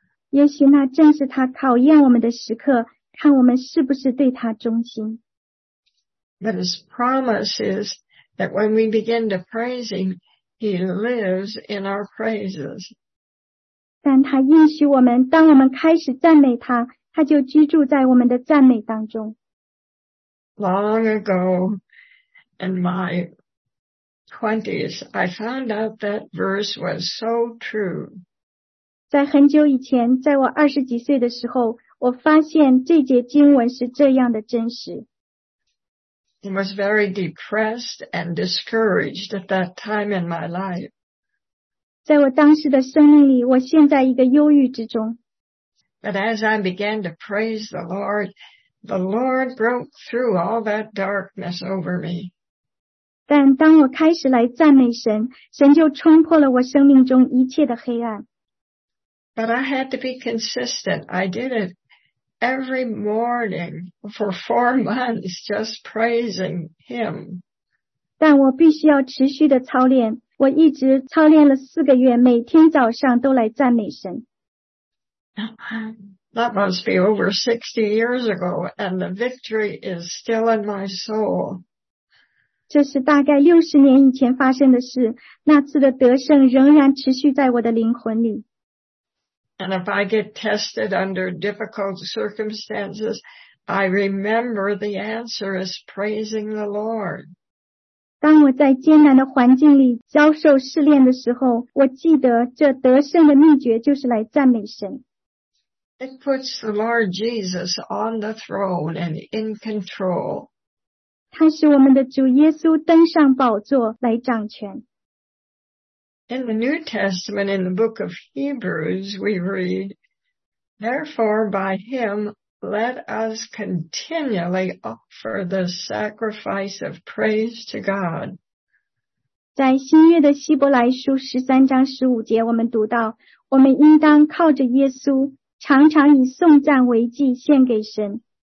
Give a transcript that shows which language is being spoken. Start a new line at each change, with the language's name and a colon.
Chinese: 也许那正是他考验我们的时刻，看我们是不是对他忠心。
English: But his promise is that when we begin to praise him, he lives in our praises.
Chinese: 但他应许我们，当我们开始赞美他，他就居住在我们的赞美当中。
English: Long ago, in my 20s, I found out that verse was so true.
Chinese: 在很久以前，在我二十几岁的时候，我发现这节经文是这样的真实。
English: I was very depressed and discouraged at that time in my life.
Chinese: 在我当时的生命里，我陷在一个忧郁之中。
English: But as I began to praise the Lord broke through all that darkness over me.
Chinese: 但当我开始来赞美神，神就冲破了我生命中一切的黑暗。
English: But I had to be consistent. I did it every morning for 4 months, just praising him.
Chinese: 但我必须要持续的操练，我一直操练了4个月，每天早上都来赞美神。
English: That must be over 60 years ago, and the victory is still in my soul.
Chinese: 这是大概60年以前发生的事，那次的得胜仍然持续在我的灵魂里。
English: And if I get tested under difficult circumstances, I remember the answer is praising the Lord.
Chinese: 当我在艰难的环境里遭受试炼的时候，我记得这得胜的秘诀就是来赞美神。
English: It puts the Lord Jesus on the throne and in control.
Chinese: 他使我们的主耶稣登上宝座来掌权。
English: In the New Testament, in the book of Hebrews, we read, therefore, by him, let us continually offer the sacrifice of praise to God.
Chinese: 在新约的希伯来书13章15节，我们读到，我们应当靠着耶稣，常常以颂赞为祭献给神。